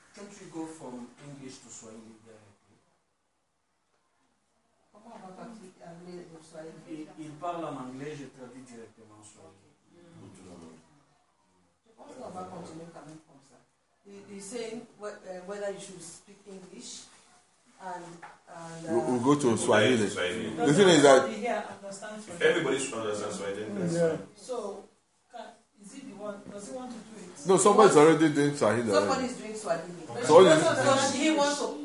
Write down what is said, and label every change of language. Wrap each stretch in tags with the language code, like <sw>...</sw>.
<en>Can't you go from English to Swahili directly?</en> <fr>Il parle en anglais, je traduis directement en Swahili. Je pense qu'on va continuer quand même comme ça.</fr> <en>He's saying whether you should speak English and we'll go to Swahili. The thing is that everybody should understand Swahili. So, is it the one? Does he want to do it? No, somebody's already doing Swahili.</en>